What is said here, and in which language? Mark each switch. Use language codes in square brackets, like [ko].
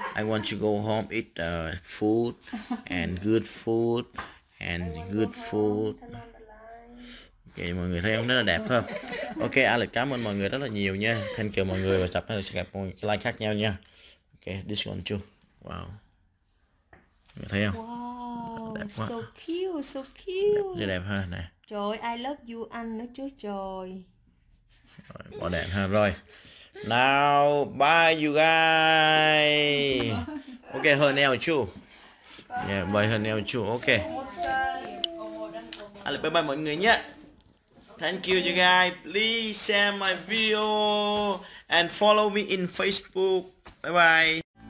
[en] I want to go home eat food and good food and good food. [vi] Okay, mọi người thấy không? Rất là đẹp không? Okay, Alex, cảm ơn mọi người rất là nhiều nha. Thank you mọi người và tập này sẽ gặp mọi người like khác nhau nha. [en] Okay, this one too. Wow. [vi] Mọi người thấy không? [en] Wow, so cute, so cute. [vi] Rất đẹp ha, nè. Trời ơi, [en] I love you [vi] anh nữa chứ trời. Rồi, bỏ đèn ha, rồi. [en] Now, bye you guys. Okay, her nail too. Yeah, bye her nail too, okay. [vi] Alex, bye bye mọi người nhé. [en] Thank you you guys, please share my video and follow me in Facebook. Bye bye.